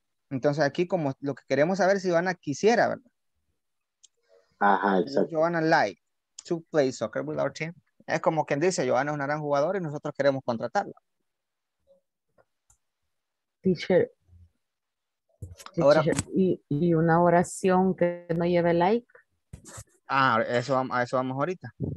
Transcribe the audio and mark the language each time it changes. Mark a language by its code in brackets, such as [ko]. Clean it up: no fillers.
[es] Entonces aquí como lo que queremos saber es si Johanna quisiera, ¿verdad? Ajá, exacto. [en] Johanna like to play soccer with our team. [es] Es como quien dice, Johanna es una gran jugadora y nosotros queremos contratarla. Teacher. Ahora, ¿Y una oración que no lleve like? Ah, a eso vamos ahorita.